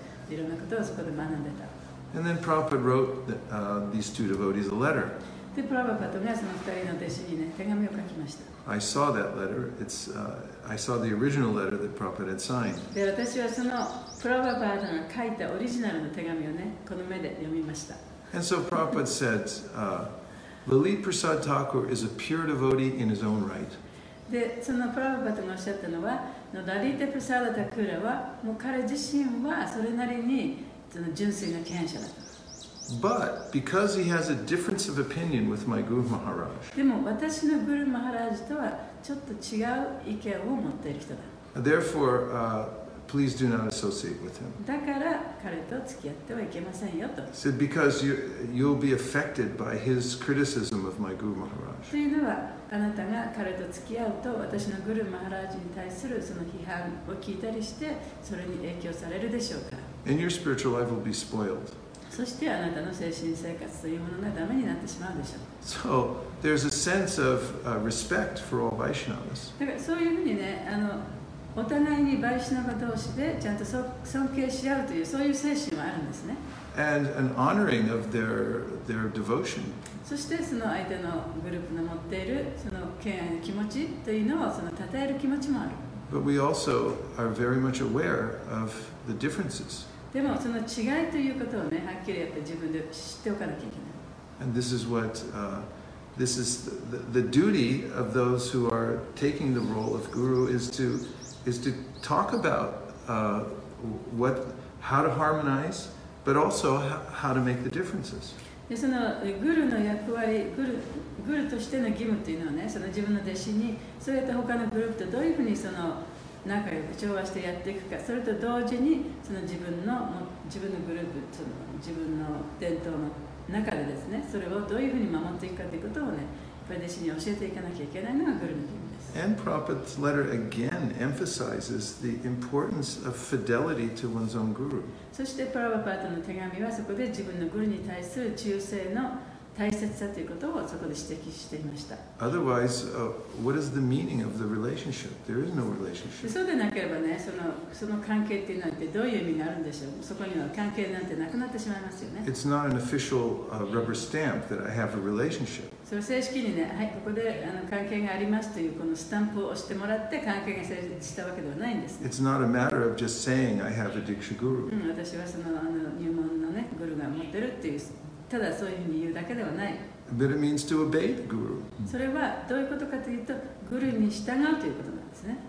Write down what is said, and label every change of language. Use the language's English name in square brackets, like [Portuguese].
[English] And then Prabhupada wrote these two devotees a letter. [Japanese] で、プラバパトがその二人の弟子にね、手紙を書きました。 [English] I saw that letter. It's, I saw the original letter that Prabhupada had signed. [Japanese] で、私はそのプラバパトが書いたオリジナルの手紙をね、この目で読みました。 [English] And so Prabhupada said, Lalit Prasad Thakur is a pure devotee in his own right. [Japanese] で、そのプラバパトがおっしゃったのは、のダリテプサダタクーラは、もう彼自身はそれなりにその純粋な権者だと。 [English] But because he has a difference of opinion with my Guru Maharaj. [Japanese] でも私のグルマハラージとはちょっと違う意見を持っている人だ。 [English] Therefore, please do not associate with him. [Japanese] だから彼と付き合ってはいけませんよと。 [English] So because you'll be affected by his criticism of my Guru Maharaj. [Japanese] というのはあなたが彼と付き合うと私のグルマハラージに対するその批判を聞いたりしてそれに影響されるでしょうか。 [English] And your spiritual life will be spoiled. [Japanese] そしてあなたの精神生活というものがダメになってしまうでしょう。 [English] So there's a sense of respect for all Vaishnavas. [Japanese] だからそういうふうにね、あのお互いにバイシナバ同士でちゃんと尊敬し合うというそういう精神はあるんですね。 [English] And an honoring of their devotion. [Japanese] そしてその相手のグループの持っているその敬愛の気持ちというのをその称える気持ちもある。 [English] But we also are very much aware of the differences. [Japanese] でもその違いということをね、はっきりやっぱり自分で知っておかなきゃいけない。 [English] And this is what, this is the duty of those who are taking the role of guru is to talk about what, how to harmonize, but also how to make the differences. [Japanese] でそのグルの役割、グルとしての義務というのはね、その自分の弟子にそれと他のグループとどういうふうにその仲良く調和してやっていくか、それと同時にその自分のグループ、その自分の伝統の中でですね、それをどういうふうに守っていくかということをね、弟子に教えていかなきゃいけないのがグルの義務です。 [English] And Prabhupada's letter again emphasizes the importance of fidelity to one's own guru. [Japanese] そしてプラバパートの手紙はそこで自分のグルに対する忠誠の大切さということをそこで指摘していました。 [English] Otherwise, what is the meaning of the relationship? There is no relationship. [Japanese] そうでなければね、その関係ってなんてどういう意味があるんでしょう。そこには関係なんてなくなってしまいますよね。 [English] It's not an official rubber stamp that I have a relationship. [Japanese] その正式にね、はい、ここであの関係がありますというこのスタンプを押してもらって関係が成立したわけではないんです、ね。 [English] It's not a matter of just saying I have a Diksha Guru. [Japanese] 私はそのあの入門のね、グルが持ってるっていう。ただそういうふうに言うだけではない。 [English] But it means to obey the guru. [Japanese] それはどういうことかというと、グルに従うということなんですね。